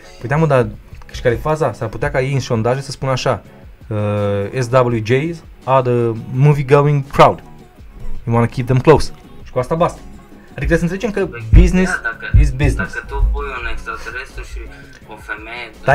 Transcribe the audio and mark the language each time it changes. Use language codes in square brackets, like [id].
[ro] Păi da, mă, dar și care e faza? S-ar putea ca ei în sondaje să spună așa. [en] SWJs are the movie going crowd. You wanna keep them close. [ro] Și cu asta basta. Adică trebuie să înțelegem că [en] business is business. [ro] Dacă tu pui un extraterestru și o femeie...